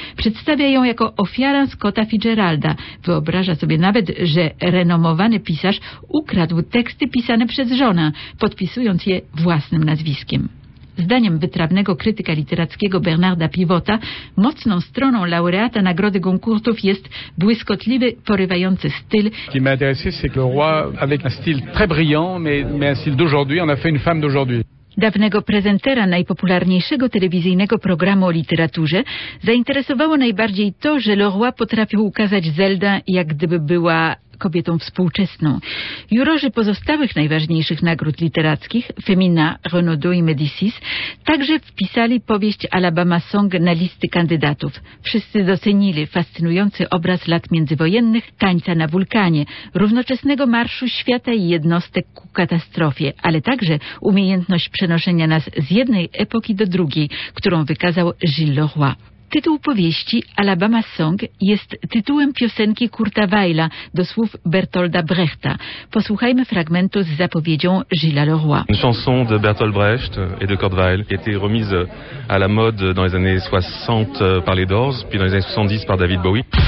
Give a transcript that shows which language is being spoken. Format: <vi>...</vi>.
<pl>Przedstawia ją jako ofiarę Scotta Fitzgeralda. Wyobraża sobie nawet, że renomowany pisarz ukradł teksty pisane przez żonę, podpisując je własnym nazwiskiem. Zdaniem wytrawnego krytyka literackiego Bernarda Pivota, mocną stroną laureata Nagrody Goncourtów jest błyskotliwy, porywający styl.</pl> <fr>Ce qui m'a intéressé, c'est que le roi avec un style très brillant, mais un style d'aujourd'hui, on a fait une femme d'aujourd'hui.</fr> <pl>Dawnego prezentera najpopularniejszego telewizyjnego programu o literaturze zainteresowało najbardziej to, że Leroy potrafił ukazać Zeldę, jak gdyby była kobietą współczesną. Jurorzy pozostałych najważniejszych nagród literackich, Femina, Renaudot i Médicis, także wpisali powieść Alabama Song na listy kandydatów. Wszyscy docenili fascynujący obraz lat międzywojennych, tańca na wulkanie, równoczesnego marszu świata i jednostek ku katastrofie, ale także umiejętność przenoszenia nas z jednej epoki do drugiej, którą wykazał Gilles Leroy. Tytuł powieści Alabama Song jest tytułem piosenki Kurta Weila do słów Bertolda Brechta. Posłuchajmy fragmentu z zapowiedzią Gilles Leroy.</pl> <fr>Une chanson de Bertolt Brecht et de Kurt Weill qui a été remise à la mode dans les années 60 par les Doors, puis dans les années 70 par David Bowie.</fr>